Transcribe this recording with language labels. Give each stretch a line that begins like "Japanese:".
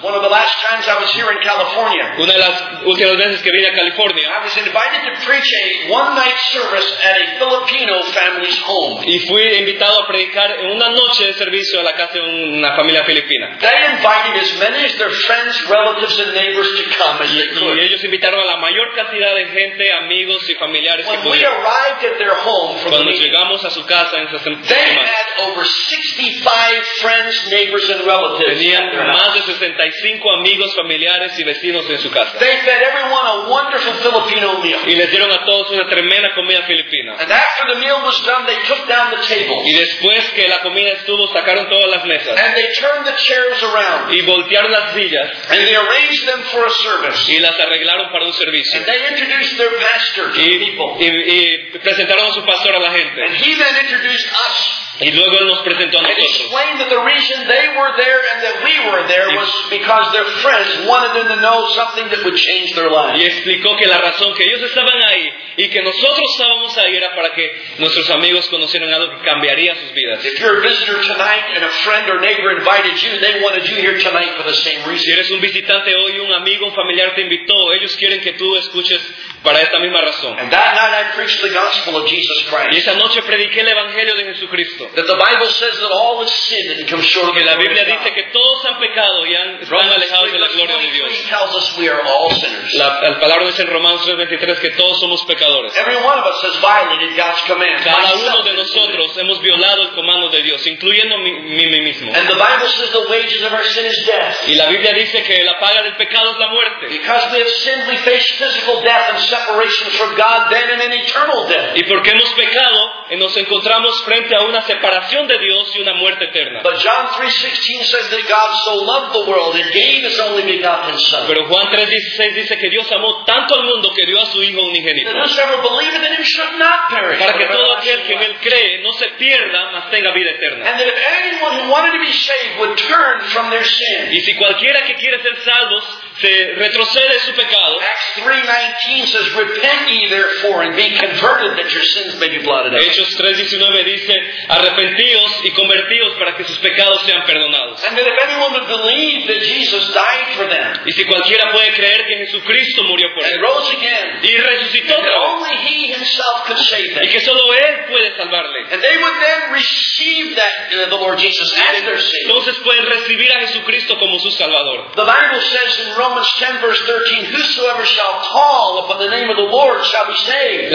English: One of the last times I was here in California.
Spanish: Una de las últimas veces que vine a California.
English: I was invited to preach a one-night service at a Filipino family's home.
Spanish: Y fui invitado a predicar en una noche de servicio a la casa de una familia filipina.
English: They invited as many as their friends, relatives, and neighbors to come as they could.
Spanish: Y ellos invitaron a la mayor cantidad de gente, amigos y familiares
English: when When we arrived at their home from
Spanish: cuando
English: the
Spanish: llegamos
English: meeting,
Spanish: a su casa en esa semana.
English: They had over 65 friends, neighbors, and relatives.
Spanish: Tenían más de 65 amigos, familiares y vecinos en su casa.
English: They fed everyone a wonderful Filipino meal.
Spanish: Y les dieron a todos una tremenda comida filipina.
English: And after the meal was done, they took down the tables.
Spanish: Y después que la comida estuvo, sacaron todas las mesas.
English: And they turned the chairs around.
Spanish: Y voltearon las sillas.
English: And they arranged them for a service.
Spanish: Y las arreglaron para un servicio.
English: And they introduced their pastor to the people.
Spanish: Y presentaron a su pastor a la gente.
English: And he then introduced us.
Spanish: Y luego él nos presentó a nosotros.
English: And explained that the reason they were there and that we were there was because their friends wanted them to know something that would change their lives.
Spanish: Y explicó que la razón que ellos estaban ahí y que nosotros estábamos ahí era para que nuestros amigos conocieran algo que cambiaría sus vidas.
English: If you're a visitor tonight and a friend or neighbor invited you, they wanted you here tonight for the same reason.
Spanish: Si eres un visitante hoy, un amigo, un familiar te invitó, ellos quieren que tú escuches para esta misma razón.
English: And that night I preached the gospel of Jesus Christ.
Spanish: Y esa noche prediqué el evangelio de Jesucristo.
English: That the Bible says that all have sinned and come short of the glory of God.
Spanish: La Biblia dice que todos han pecado y están alejados de la gloria de Dios.
English: Romans 3:23 tells us we are all sinners.
Spanish: La palabra dice en Romanos 3:23 que todos somos pecadores. pecadores.
English: Every one of us has violated God's command.
Spanish: Cada uno de nosotros hemos violado el comando de Dios, incluyendo mí mismo.
English: And the Bible says the wages of our sin is death.
Spanish: Y la Biblia dice que la paga del pecado es la muerte.
English: Because we have sinned, we face physical death and separation from God, then and an eternal death.
Spanish: Y porque hemos pecado, nos encontramos frente a una separación de Dios y una muerte eterna.
English: But John 3:16 says that God so loved the world that gave His only begotten Son.
Spanish: Pero Juan 3:16 dice que Dios amó tanto al mundo que dio a su Hijo unigénito.
English: That whosoever believeth in Him should not perish.
Spanish: Para que todo aquel que en Él cree no se pierda, mas tenga vida eterna.
English: And that if anyone who wanted to be saved would turn from their sin.
Spanish: Y si cualquiera que quiere ser salvo se retrocede su pecado.
English: Acts 3:19 says, "Repent ye therefore and be converted, that your sins may be blotted out."
Spanish: Hechos 3:19 dice, "Arrepentíos y convertíos para que sus pecados sean perdonados."
English: And that if anyone would believe that Jesus died for them.
Spanish: Y si cualquiera puede creer que Jesucristo murió por él.
English: Rose again.
Spanish: Y resucitó.
English: And that only He Himself could save them.
Spanish: Y que solo Él puede salvarle.
English: And they would then receive that the Lord Jesus as their Savior.
Spanish: Entonces pueden recibir a Jesucristo como su Salvador.
English: The Bible says in Romans 10 verse 13, "Whosoever shall call upon the name of the Lord shall be saved."